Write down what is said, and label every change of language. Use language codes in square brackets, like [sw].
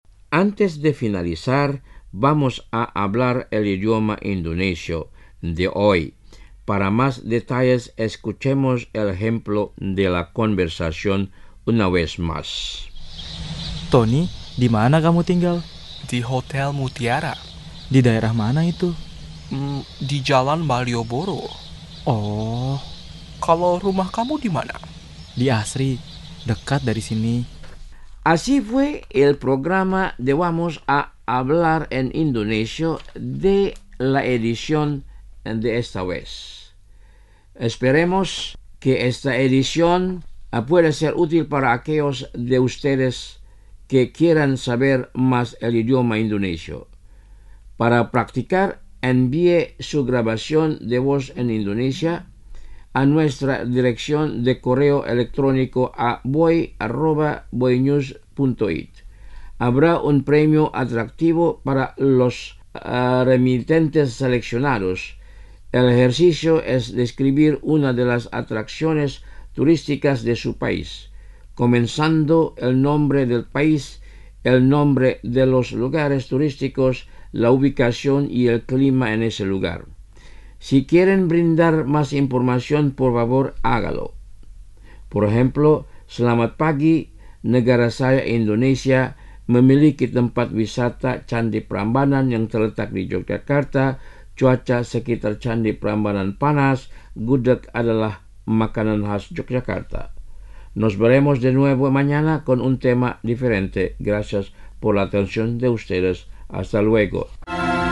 [es] Antes de finalizar, vamos a hablar el idioma indonesio de hoy. Para más detalles, escuchemos el ejemplo de la conversación una vez más. [id] Tony, ¿di mana kamu tinggal? Di Hotel Mutiara. ¿Di daerah mana itu? Di Jalan Malioboro. Oh. Kalau rumah kamu di mana? Di Asri, dekat dari sini. [es] Así fue el programa de Vamos a Hablar en Indonesio de la edición de esta vez. Esperemos que esta edición pueda ser útil para aquellos de ustedes que quieran saber más el idioma indonesio. Para practicar, envíe su grabación de voz en Indonesia a nuestra dirección de correo electrónico a boy@boynews.it. Habrá un premio atractivo para los remitentes seleccionados. El ejercicio es describir una de las atracciones turísticas de su país, comenzando el nombre del país, el nombre de los lugares turísticos, la ubicación y el clima en ese lugar. Si quieren brindar más información, por favor, hágalo. Por ejemplo, [id] Selamat pagi, negara saya Indonesia memiliki tempat wisata Candi Prambanan yang terletak di Yogyakarta. Cuaca sekitar Candi Prambanan panas. Gudeg adalah makanan khas Yogyakarta. [es] Nos veremos de nuevo mañana con un tema diferente. Gracias por la atención de ustedes. Hasta luego.